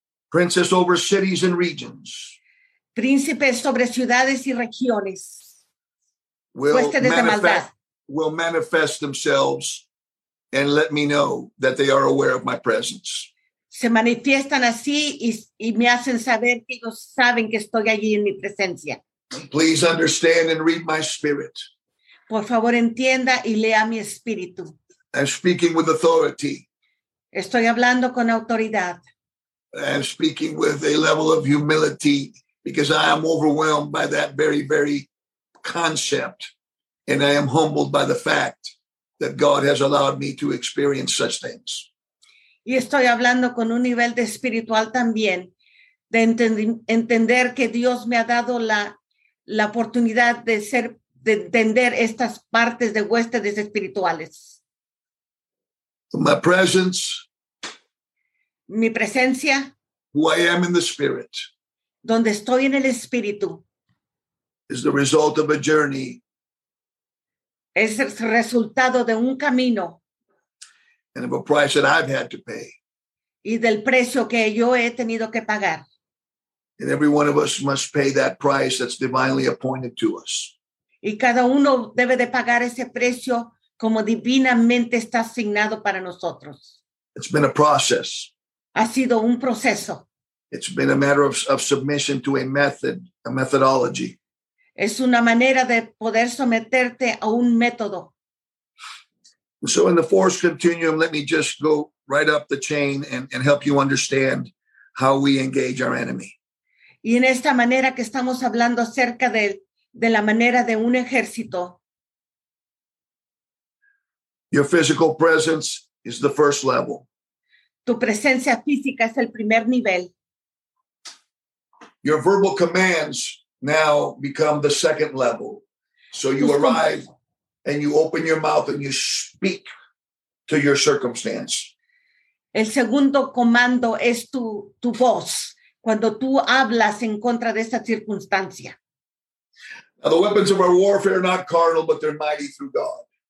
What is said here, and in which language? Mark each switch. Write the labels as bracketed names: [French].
[English] Princes over cities and regions. [Spanish] Príncipes sobre ciudades y regiones. [English] Will manifest themselves and let me know that they are aware of my presence. [Spanish] Se manifiestan así y me hacen saber que ellos saben que estoy allí en mi presencia. [English] Please understand and read my spirit. [Spanish] Por favor, entienda y lea mi espíritu. [English] I'm speaking with authority. [Spanish] Estoy hablando con autoridad. [English] I'm speaking with a level of humility because I am overwhelmed by that very, very concept. And I am humbled by the fact that God has allowed me to experience such things. [Spanish] Y estoy hablando con un nivel de espiritual también, de entender que Dios me ha dado la oportunidad de ser, de entender estas partes de huestes espirituales. [English] My presence. [Spanish] Mi presencia. [English] Who I am in the spirit. [Spanish] Donde estoy en el espíritu. [English] Is the result of a journey. [Spanish] Es el resultado de un camino. [English] And of a price that I've had to pay. [Spanish] y del precio que yo he tenido que pagar. [English] And every one of us must pay that price that's divinely appointed to us. [Spanish] Y cada uno debe de pagar ese precio como divinamente está asignado para nosotros. [English] It's been a process. [Spanish] Ha sido un proceso. [English] It's been a matter of submission to a method, a methodology. [Spanish] Es una manera de poder someterte a un método. [English] So in the force continuum, let me just go right up the chain and help you understand how we engage our enemy. [Spanish] Y en esta manera que estamos hablando acerca de la manera de un ejército. [English] Your physical presence is the first level. [Spanish] Tu presencia física es el primer nivel. [English] Your verbal commands now become the second level. So you arrive and you open your mouth and you speak to your circumstance. [Spanish] El segundo comando es tu voz, cuando tú hablas en contra de esa circunstancia. [English] Now the weapons of our warfare are not carnal, but they're mighty through God.